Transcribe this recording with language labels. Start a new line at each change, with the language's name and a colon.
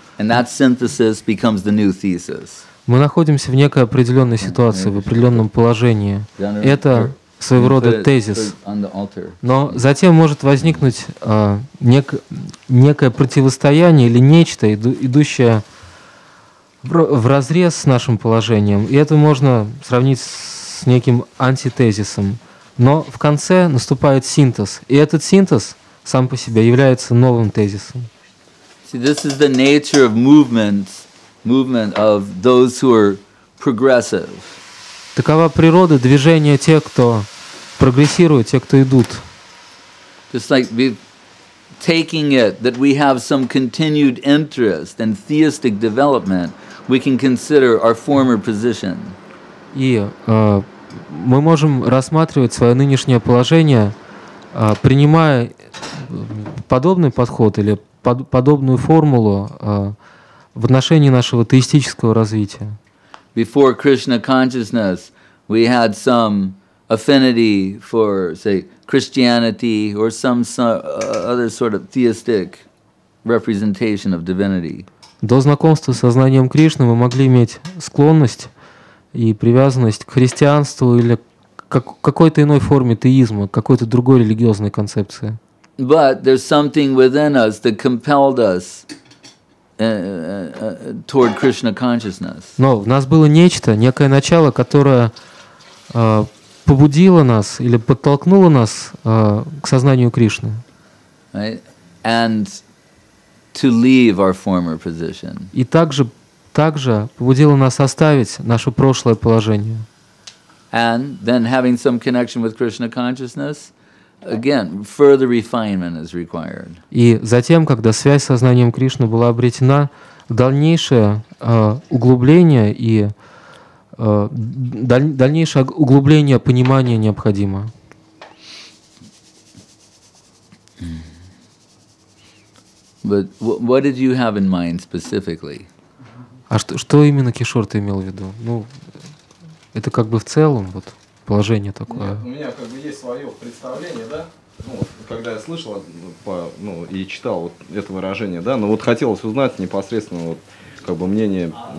English: And that synthesis becomes the new thesis.
Russian: Мы находимся в некой определенной ситуации, в определенном положении. Это своего рода тезис. Но затем может возникнуть некое противостояние или нечто, идущее вразрез с нашим положением. И это можно сравнить с неким антитезисом. Но в конце наступает синтез. И этот синтез сам по себе является новым тезисом.
English: See, this is the nature of movement of those who are progressive.
Russian: Такова природа движения тех, кто прогрессирует, тех, кто идут.
English: Just like we taking it that we have some continued interest in theistic development, we can consider our former position.
Russian: И мы можем рассматривать свое нынешнее положение, принимая подобный подход или подобную формулу в отношении нашего теистического развития.
English: Before Krishna consciousness, we had some affinity for, say, Christianity or some other sort of theistic representation of divinity.
Russian: До знакомства с сознанием Кришны мы могли иметь склонность и привязанность к христианству или к какой-то иной форме теизма, к какой-то другой религиозной концепции.
English: But there's something within us that compelled us toward Krishna consciousness.
Russian: Но в нас было нечто, некое начало, которое побудило нас или подтолкнуло нас к сознанию Кришны.
English: Right? And to leave our former position.
Russian: И также побудило нас оставить наше прошлое положение.
English: And then having some connection with Krishna consciousness. Again, further refinement is required.
Russian: И затем, когда связь с сознанием Кришны была обретена, дальнейшее углубление и дальнейшее углубление понимания необходимо.
English: But what did you have in mind specifically?
Russian: А что именно Кишор ты имел в виду? Ну, это как бы в целом вот. Положение такое. Нет, у меня как бы есть свое представление, да? Ну, вот, когда я слышал и читал вот это выражение, да, но вот хотелось узнать непосредственно вот как бы мнение.